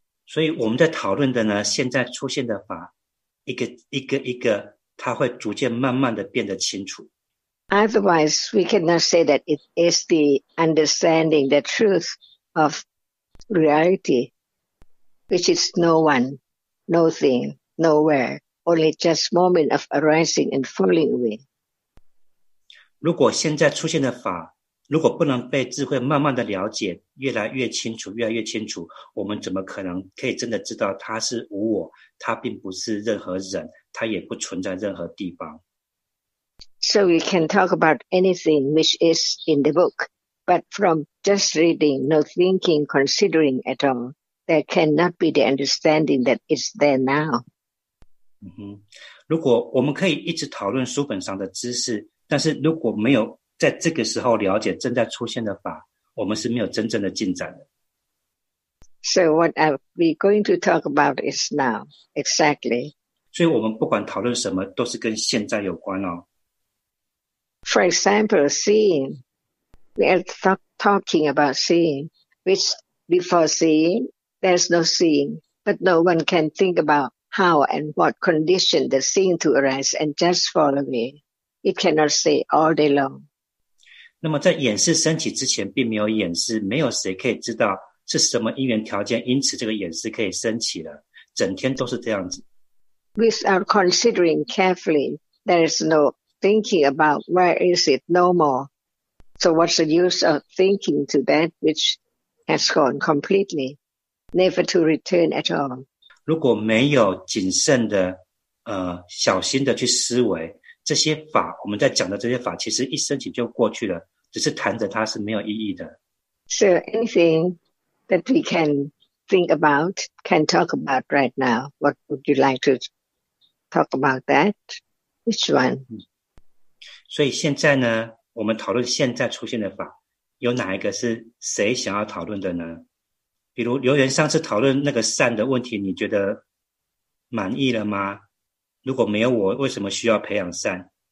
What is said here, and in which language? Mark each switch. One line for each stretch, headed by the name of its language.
Chinese: 所以我们在讨论的呢，现在出现的法，一个一个一个，它会逐渐慢慢的变得清楚。
English: Otherwise, we cannot say that it is the understanding, the truth of reality, which is no one, nothing, nowhere, only just moment of arising and falling away.
Chinese: 如果现在出现的法，如果不能被智慧慢慢的了解，越来越清楚，越来越清楚，我们怎么可能可以真的知道它是无我，它并不是任何人，它也不存在任何地方。
English: So we can talk about anything which is in the book, but from just reading, no thinking, considering at all, there cannot be the understanding that is there now.
Chinese: 嗯哼，如果我们可以一直讨论书本上的知识，但是如果没有在这个时候了解正在出现的法，我们是没有真正的进展的。
English: So what are we going to talk about is now, exactly.
Chinese: 所以我们不管讨论什么，都是跟现在有关哦。
English: For example, seeing. We are talking about seeing, which before seeing, there's no seeing, but no one can think about how and what condition the seeing to arise and just fall away. It cannot say all day long.
Chinese: 那么在眼识升起之前并没有眼识，没有谁可以知道是什么因缘条件，因此这个眼识可以升起了，整天都是这样子。
English: Without considering carefully, there is no thinking about where is it no more. So what's the use of thinking to that which has gone completely, never to return at all?
Chinese: 如果没有谨慎的小心的去思维这些法，我们在讲的这些法其实一升起就过去了，只是谈着它是没有意义的。
English: So anything that we can think about, can talk about right now, what would you like to talk about that? Which one?
Chinese: 所以现在呢，我们讨论现在出现的法，有哪一个是谁想要讨论的呢？比如刘元上次讨论那个善的问题，你觉得满意了吗？如果没有我，为什么需要培养善？